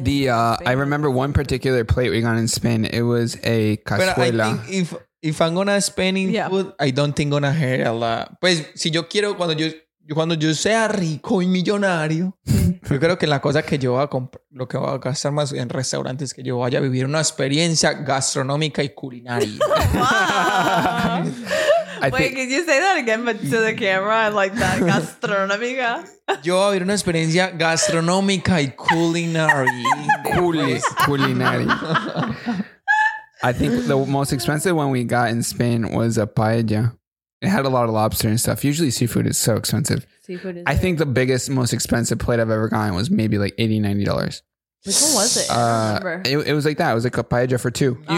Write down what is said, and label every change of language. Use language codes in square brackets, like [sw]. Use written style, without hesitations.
[en] The I remember one particular plate we got in Spain. It was a cazuela. But I think if I'm gonna spend in food, I don't think gonna hurt a lot. [es] Pues si yo quiero cuando yo sea rico y millonario, yo creo que la cosa que yo voy a comprar, lo que voy a gastar más en restaurantes, que yo vaya a vivir una experiencia gastronómica y culinaria. [en] Wait, can you say that again, but to the camera? I like that. Gastronómica. [es] Yo voy a vivir una experiencia gastronómica y culinary. [en] culinary. I think the most expensive one we got in Spain was a paella. It had a lot of lobster and stuff. Usually seafood is so expensive. I think the biggest, most expensive plate I've ever gotten was maybe like $80, $90. Which one was it? It was like that. It was like a paella for two. Oh.